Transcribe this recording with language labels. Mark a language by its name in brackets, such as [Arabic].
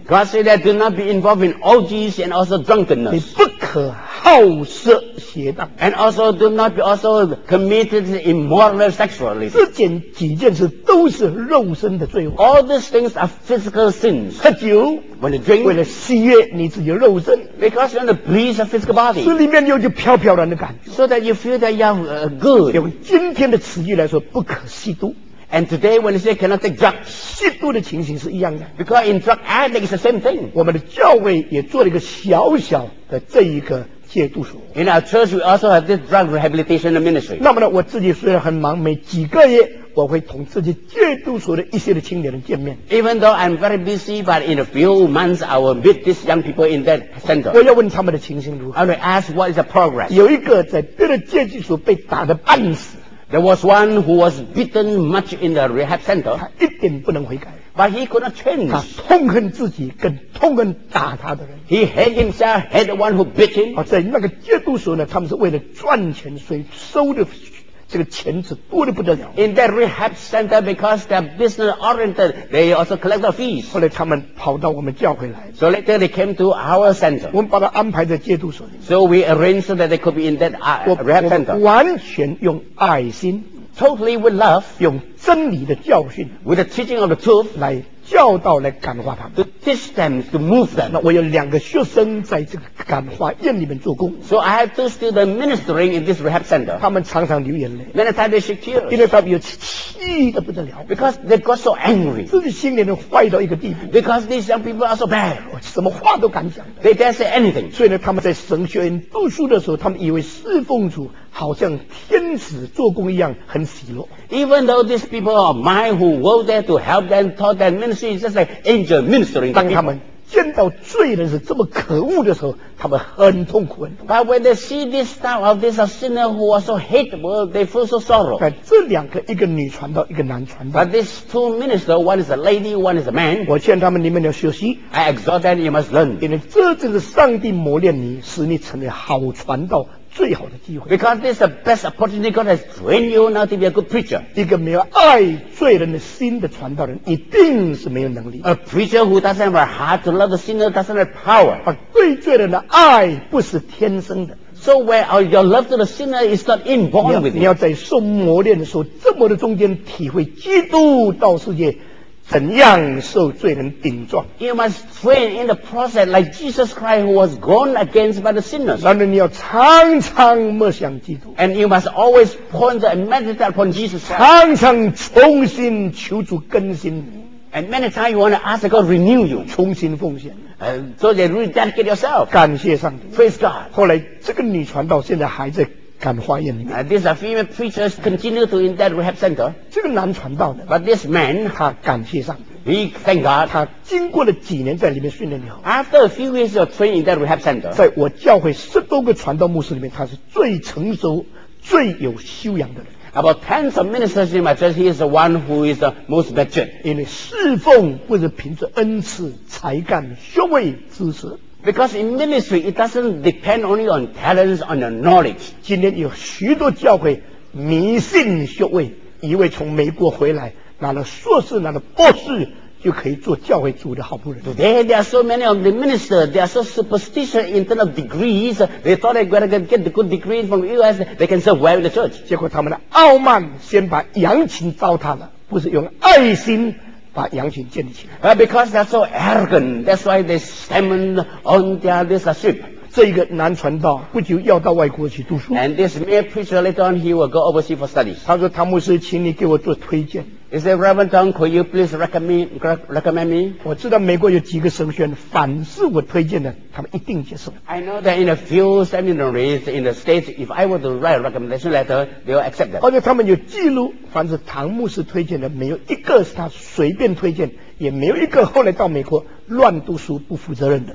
[English] God said that do not be involved in orgies and also drunkenness. [Chinese] 你不可好色邪荡 [English] and also do not be also committed immoral sexually. [Chinese] 这件几件事都是肉身的罪恶 [English] All these things are physical sins. [Chinese] 喝酒 [English] when you drink, [Chinese] 为了喜悦你自己的肉身 [English] because you want to please your physical body. [Chinese] 心里面有就飘飘然的感觉 [English] so that you feel that you are good. [Chinese] 用今天的词语来说，不可吸毒。 [English] And today when they say cannot take drugs, [Chinese] 吸毒的情形是一样的。 [English] Because in drug addict is the same thing. [Chinese] 我们的教会也做了一个小小的这一个。 [English] In our church, we also have this drug rehabilitation ministry. [Chinese] 那么呢，我自己虽然很忙，每几个月我会同自己戒毒所的一些的青年人见面。 [English] Even though I'm very busy, but in a few months, I will meet these young people in that center. [Chinese] 我要问他们的情形如何。 [English] I will ask what is the progress. [Chinese] 有一个在别的戒毒所被打得半死。 [English] There was one who was beaten much in the rehab center. [Chinese] 他一点不能悔改。 [English] But he could not change. [Chinese] 他痛恨自己，更痛恨打他的人。 [English] He hated himself, hated the one who beat him. [Chinese] 在那个戒毒所呢，他们是为了赚钱，所以收的这个钱是多得不得了。 [English] In that rehab center, because they're business oriented, they also collect the fees. [Chinese] 后来他们跑到我们教会来。 [English] So later they came to our center. [Chinese] 我们把他安排在戒毒所里。 [English] So we arranged that they could be in that rehab center. [Chinese] 完全用爱心。 [English] Totally with love, [Chinese] 用真理的教训 [English] with the teaching of the truth, [Chinese] 来教导来感化他们 [English] to teach them, to move them. [Chinese] 那我有两个学生在这个感化院里面做工 [English] So I have two students ministering in this rehab center. [Chinese] 他们常常流眼泪 [English] Many times they shed tears. [Chinese] 因为他们有气得不得了 [English] Because they got so angry. [Chinese] 自己心里面坏到一个地步 [English] Because these young people are so bad. [Chinese] 什么话都敢讲 [English] They dare say anything. [Chinese] 所以呢，他们在神学院读书的时候，他们以为侍奉主好像天使做工一样很喜乐。 [English] Even though these people are mine who were there to help them, taught them ministry, it's just like angel ministering. [Chinese] 当他们见到罪人是这么可恶的时候，他们很痛苦。 [English] But when they see this style of this sinner who was so hateful, they feel so sorrow. [Chinese] 这两个，一个女传道，一个男传道。 [English] But these two ministers, one is a lady, one is a man. [Chinese] 我劝他们，你们要学习。 [English] I exhort them, you must learn. [Chinese] 因为这就是上帝磨练你，使你成为好传道。最好的机会 [English] Because this is the best opportunity God has trained you now to be a good preacher [Chinese] 一个没有爱罪人的心的传道人一定是没有能力 [English] A preacher who doesn't have a heart to love the sinner doesn't have power [Chinese] 而对罪人的爱不是天生的 [English] So where your love to the sinner is not inborn with it [Chinese] 你要在受磨练的时候这么的中间体会基督到世界怎样受罪人顶撞 [English] You must train in the process like Jesus Christ who was gone against by the sinners [Chinese] 然而你要常常默想基督 [English] And you must always ponder and meditate upon Jesus Christ [Chinese] 常常重新求主更新 [English] And many times you want to ask God to renew you [Chinese] 重新奉献 [English] So that you really dedicate yourself [Chinese] 感谢上帝 [English] Praise God [Chinese] 后来这个女传道现在还在感化院里面 [English] These are female preachers continue to in that rehab center [Chinese] 这个男传道的 [English] But this man [Chinese] 他感谢上帝 [English] He thank God [Chinese] 他经过了几年在里面训练以后 [English] After a few years of training in that rehab center [Chinese] 在我教会十多个传道牧师里面他是最成熟最有修养的人 [English] About tens of ministers in my church, he is the one who is the most mature. [Chinese] 因为侍奉不是凭着恩赐、才干、学位、知识。 [English] Because in ministry, it doesn't depend only on talents, on your knowledge. [Chinese] 今天有许多教会迷信学位，一位从美国回来，拿了硕士，拿了博士。就可以做教会主的好仆人。 [English] Today there are so many of the ministers, they are so superstitious in terms of degrees. They thought they were going to get the good degrees from the U.S. They can serve well in the church. [Chinese] 结果他们的傲慢先把羊群糟蹋了，不是用爱心把羊群建立起来。 [English] But because they are so arrogant, that's why they stand on their leadership. [Chinese] 这一个男传道不久要到外国去读书。 [English] And this male preacher later on he will go overseas for studies. [Chinese] 他说：“汤牧师，请你给我做推荐。” [English] He said, Reverend Tom, could you please recommend me? [Chinese] 我知道美国有几个神学院，凡是我推荐的，他们一定接受。 [English] I know that in a few seminaries in the States, if I were to write a recommendation letter, they will accept that. [Chinese] 而且他们有记录，凡是唐牧师推荐的，没有一个是他随便推荐，也没有一个后来到美国乱读书不负责任的。